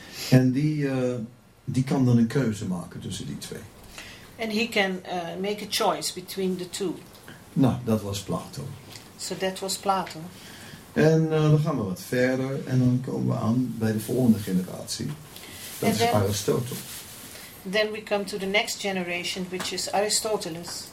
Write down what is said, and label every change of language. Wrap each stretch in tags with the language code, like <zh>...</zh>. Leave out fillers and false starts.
<nl>En die kan dan een keuze maken tussen die twee.</nl> <en>And he can make a choice between the two.</en> <nl>Nou, dat was Plato.</nl> <en>So that was Plato.</en> <nl>En dan gaan we wat verder en dan komen we aan bij de volgende generatie. Dat is Aristotle.</nl> <en>Then we come to the next generation, which is Aristoteles.</en>